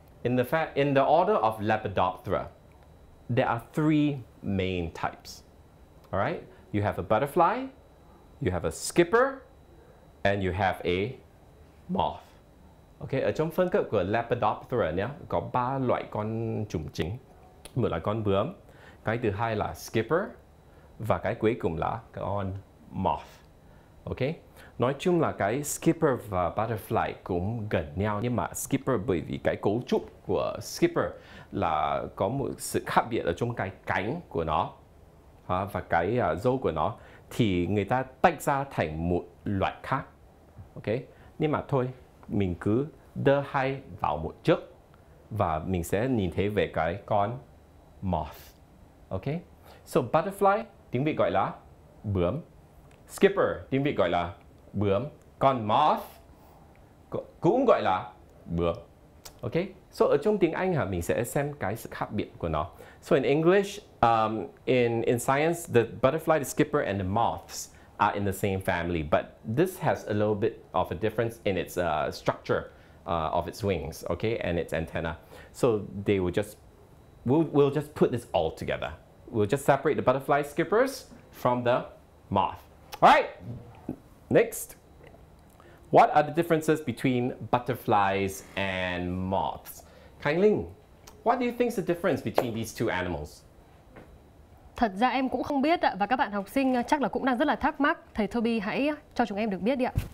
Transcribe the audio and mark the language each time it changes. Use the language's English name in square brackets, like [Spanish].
[English] In the order of Lepidoptera, there are three main types. All right? You have a butterfly, you have a skipper, and you have a moth. [Vietnamese] Okay, ở trong phân cấp của Lepidoptera nhé, có 3 loại con chùm chính. Một là con bướm, cái thứ hai là skipper, và cái cuối cùng là con moth. Ok, nói chung là cái skipper và butterfly cũng gần nhau, nhưng mà skipper bởi vì cái cấu trúc của skipper là có một sự khác biệt ở trong cái cánh của nó và cái râu của nó, thì người ta tách ra thành một loại khác. Ok, nhưng mà thôi, mình cứ đưa hai vào một trước và mình sẽ nhìn thấy về cái con moth. Ok, so butterfly tiếng Việt gọi là bướm, skipper tiếng Việt gọi là bướm, con moth cũng gọi là bướm. Ok, so ở trong tiếng Anh mình sẽ xem cái sự khác biệt của nó. [English] So in English, in science, the butterfly, the skipper and the moths are in the same family, but this has a little bit of a difference in its structure of its wings, okay, and its antenna. So they will just, we'll just put this all together. We'll just separate the butterfly skippers from the moth. All right, next. What are the differences between butterflies and moths? Kailing, what do you think is the difference between these two animals? [Vietnamese] Thật ra em cũng không biết ạ, và các bạn học sinh chắc là cũng đang rất là thắc mắc. Thầy Toby hãy cho chúng em được biết đi ạ.